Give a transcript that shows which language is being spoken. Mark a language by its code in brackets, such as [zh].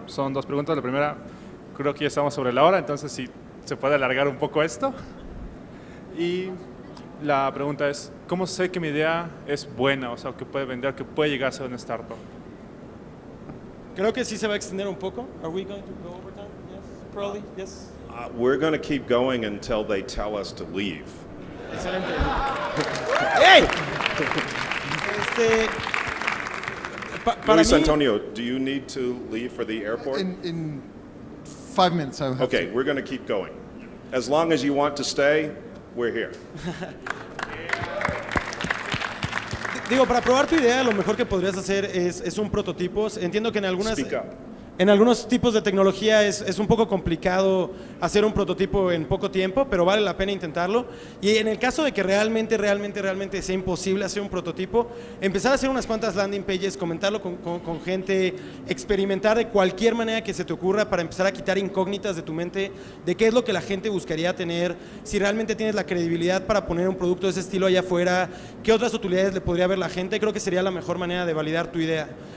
[es] Son dos preguntas. La primera, creo que ya estamos sobre la hora, entonces si se puede alargar un poco esto. Y la pregunta es, ¿cómo sé que mi idea es buena? O sea, que puede vender, que puede llegar a ser una startup. Creo que sí se va a extender un poco. [en] Are we going to go over time? Yes, probably, yes. We're going to keep going until they tell us to leave. [es] Excelente. ¡Hey! Para [en] Luis Antonio, do you need to leave for the airport? In 5 minutes. Okay, we're going to keep going. As long as you want to stay, we're here. [es] Digo, para probar tu idea, lo mejor que podrías hacer es un prototipo. Entiendo que en algunos tipos de tecnología es un poco complicado hacer un prototipo en poco tiempo, pero vale la pena intentarlo. Y en el caso de que realmente sea imposible hacer un prototipo, empezar a hacer unas cuantas landing pages, comentarlo con gente, experimentar de cualquier manera que se te ocurra para empezar a quitar incógnitas de tu mente de qué es lo que la gente buscaría tener, si realmente tienes la credibilidad para poner un producto de ese estilo allá afuera, qué otras utilidades le podría ver la gente, creo que sería la mejor manera de validar tu idea.